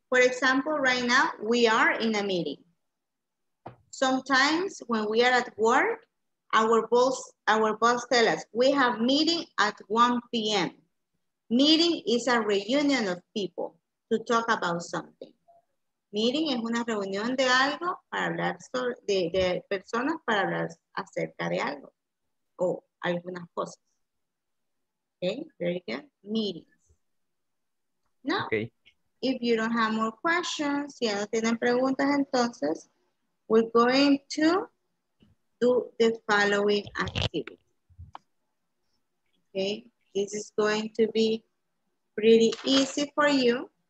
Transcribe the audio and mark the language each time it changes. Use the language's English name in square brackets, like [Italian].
[English] For example, right now we are in a meeting. Sometimes when we are at work, our boss tells us we have meeting at 1 p.m. Meeting is a reunion of people to talk about something. [Spanish] Meeting es una reunión de algo para hablar sobre, de personas para hablar acerca de algo o algunas cosas. [English] Okay, very good. Meeting. No. Okay. If you don't have more questions, [Spanish] si ya no tienen preguntas, entonces [English] we're going to do the following activity. Okay, this is going to be pretty easy for you.